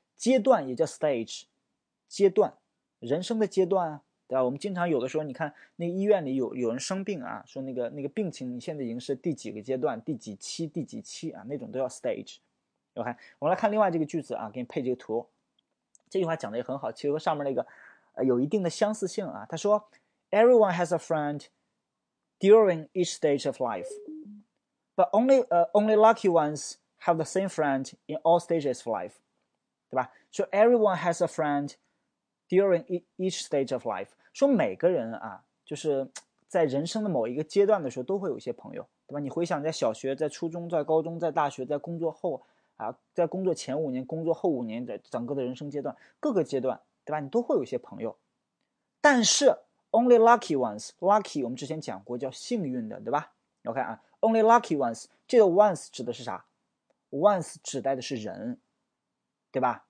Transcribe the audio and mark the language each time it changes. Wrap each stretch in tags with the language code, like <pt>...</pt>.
<zh>阶段也叫 stage，阶段，人生的阶段啊，对吧？我们经常有的时候，你看那个医院里有人生病啊，说那个病情，你现在已经是第几个阶段，第几期，第几期啊，那种都叫 stage。 OK，我们来看另外这个句子啊，给你配这个图，这句话讲的也很好，其实和上面那个有一定的相似性啊。他说，</zh> <en>Everyone has a friend during each stage of life，but only lucky ones have the same friend in all stages of life。</en> <zh>对吧？</zh> <en>说 everyone has a friend during each stage of life。</en> <zh>说每个人啊，就是在人生的某一个阶段的时候，都会有一些朋友，对吧？你回想在小学、在初中、在高中、在大学、在工作后啊，在工作前5年、工作后5年的整个的人生阶段，各个阶段，对吧？你都会有一些朋友，但是</zh> <en>only lucky ones，</en> <zh>lucky 我们之前讲过叫幸运的，对吧？OK 啊，only lucky ones 这个 once 指的是啥？once 指代的是人。对吧？</zh>